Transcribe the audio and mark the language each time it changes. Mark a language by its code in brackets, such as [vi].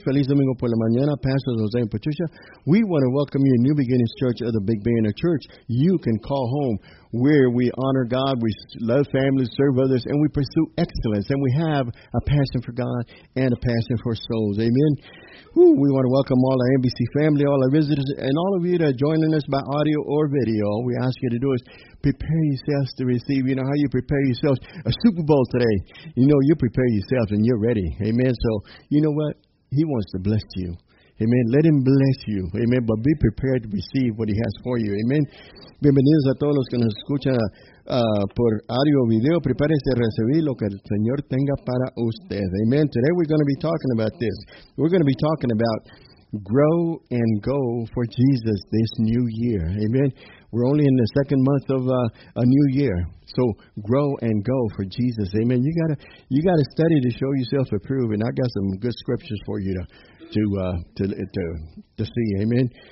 [es] Feliz Domingo por la mañana, Pastors Jose and Patricia. [en] We want to welcome you to New Beginnings Church of the Big Banner Church. You can call home where we honor God, we love families, serve others, and we pursue excellence. And we have a passion for God and a passion for souls. Amen. Whew, we want to welcome all our NBC family, all our visitors, and all of you that are joining us by audio or video. All we ask you to do is prepare yourselves to receive. You know how you prepare yourselves? A Super Bowl today. You know, you prepare yourselves and you're ready. Amen. So, you know what? He wants to bless you. Amen. Let him bless you. Amen. But be prepared to receive what he has for you. Amen. [es] Bienvenidos a todos los que nos escuchan por audio o video. Prepárense a recibir lo que el Señor tenga para usted. Amen. [en] Today we're going to be talking about this. We're going to be talking about grow and go for Jesus this new year. Amen. We're only in the second month of a new year. So grow and go for Jesus. Amen. You gotta study to show yourself approved. And I got some good scriptures for you to see. Amen.